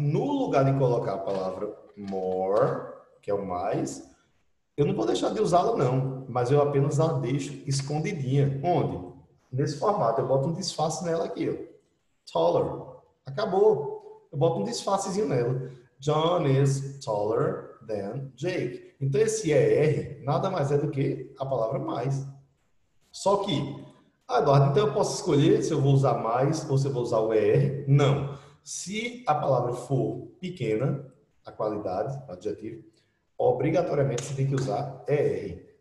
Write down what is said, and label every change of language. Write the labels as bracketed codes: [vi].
[pt] No lugar de colocar a palavra more, que é o mais, eu não vou deixar de usá-la, não, mas eu apenas a deixo escondidinha. Onde? Nesse formato, eu boto um disfarce nela aqui, ó. Taller. Acabou. Eu boto um disfarcezinho nela. [en] John is taller than Jake. [pt] Então esse ER nada mais é do que a palavra mais. Só que. Ah, Eduardo, então eu posso escolher se eu vou usar mais ou se eu vou usar o ER? Não. Se a palavra for pequena, a qualidade, o adjetivo, obrigatoriamente você tem que usar ER.